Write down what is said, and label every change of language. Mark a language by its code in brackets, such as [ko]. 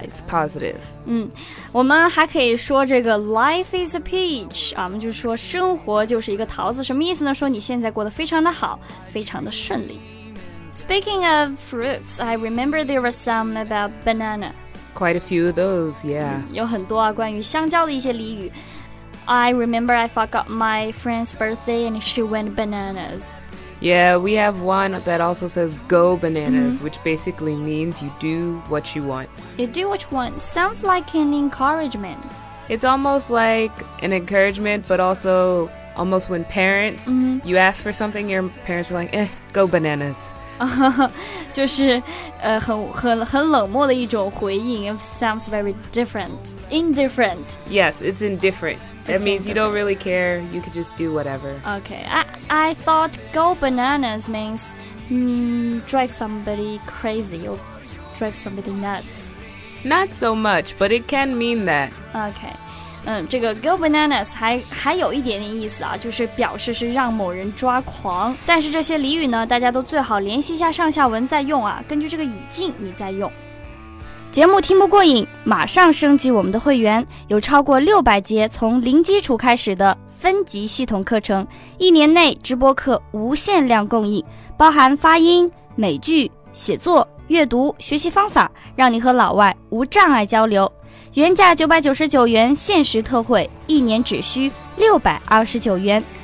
[en] Yes, it's positive [zh] 我们还可以说这个 [en] life is a peach [zh] 我们就说生活就是一个桃子什么意思呢说你现在过得非常的好非常的顺利 [en] Speaking of fruits I remember there was some about banana Quite a few of those, yeah. [zh] 有很多啊，关于香蕉的一些俚语。 [en] I remember I forgot my friend's birthday and she went bananas. Yeah, we have one that also says go bananas, which basically means you do what you want. You do what you want. Sounds like an encouragement. It's almost like an encouragement, but also almost when parents, you ask for something, your parents are like, eh, go bananas. [zh] 就是很冷漠的一种回应 [en] It sounds very different Indifferent Yes, it's indifferent That it's means indifferent. You don't really care You could just do whatever Okay, I thought go bananas means drive somebody crazy Or drive somebody nuts Not so much, but it can mean that [zh] Okay这个 go bananas 还有一点点意思啊就是表示是让某人抓狂但是这些俚语呢大家都最好联系一下上下文再用啊根据这个语境你再用节目听不过瘾马上升级我们的会员有超过600节从零基础开始的分级系统课程一年内直播课无限量供应包含发音美剧写作阅读学习方法让你和老外无障碍交流原价999元，限时特惠，一年只需629元。